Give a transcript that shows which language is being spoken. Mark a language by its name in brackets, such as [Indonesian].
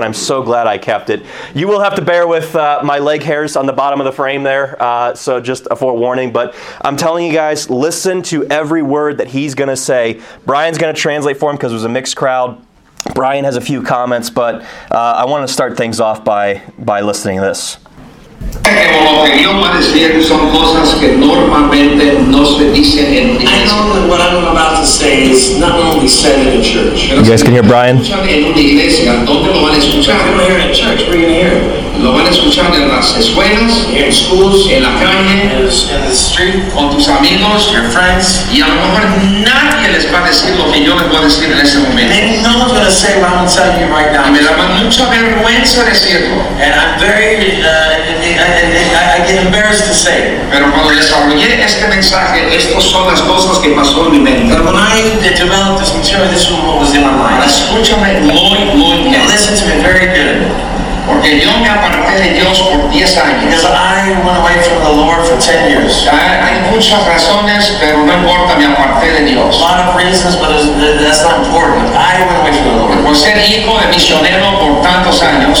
[English] And I'm so glad I kept it. You will have to bear with my leg hairs on the bottom of the frame there. So just a forewarning. But I'm telling you guys, listen to every word that he's going to say. Brian's going to translate for him because it was a mixed crowd. Brian has a few comments, but I want to start things off by listening to this. [Spanish] En la opinión va a decir que son cosas que normalmente no se dicen en iglesia. [English] I know that what I'm about to say is not only said in a church. You guys can hear Brian? [Spanish] En una iglesia, ¿dónde lo van a escuchar? [English] You're going to hear it in church. Where are you going to hear it? [Spanish] Lo van a escuchar en las escuelas, [English] in schools, [Spanish] en la calle, [English] in the street, [Spanish] con tus amigos, [English] your friends. [Spanish] Y a lo mejor nadie les va a decir lo que yo les voy a decir en ese momento. [English] And no one's going to say what I'm telling you right now. [Spanish] Y me da mucha vergüenza decirlo. [English] And I'm very, I get embarrassed to say it. [Spanish] Pero cuando desarrollé este mensaje, estas son las cosas que pasó en mi mente. [English] But when I developed this material, this is what was in my mind. [Spanish] Escúchame muy, muy bien. [English] And listen to me very good. [Spanish] Porque yo me aparté de Dios por 10 años. [English] Because I went away from the Lord for 10 years. [Spanish] Hay muchas razones, pero no importa, me aparté de Dios. [English] A lot of reasons, but that's not important. I went away from the Lord. [Spanish] Por ser hijo de misionero por tantos años.